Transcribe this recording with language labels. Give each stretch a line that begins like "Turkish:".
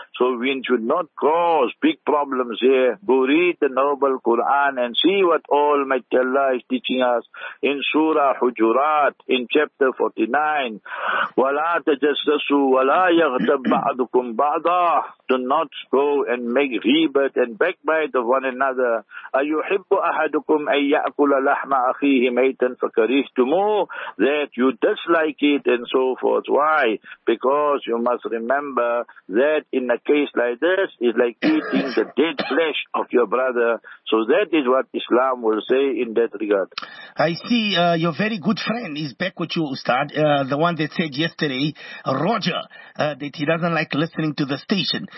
English: So we should not cause big problems here. Go read the noble Quran and see what Almighty Allah is teaching us in Surah Hujurat in chapter 49.
Arabic: وَلَا تَجَسَّسُوا وَلَا يَغْتَبْ بَعْضُكُمْ بَعْضًا.
English: Do not go and make ghibat and backbite of one another.
Arabic: أَيُحِبُّ أَحَدُكُمْ أَيَّأْكُلَ لَحْمَ أَخِيهِ مَيْتًا فَكَرِهْتُمُوهُ.
English: That you dislike like it and so forth. Why? Because you must remember that in a case like this, it's like eating the dead flesh of your brother. So that is what Islam will say in that regard. I see your very good friend is back with you, Ustad, the one that said yesterday, Roger, that he doesn't like listening to the station.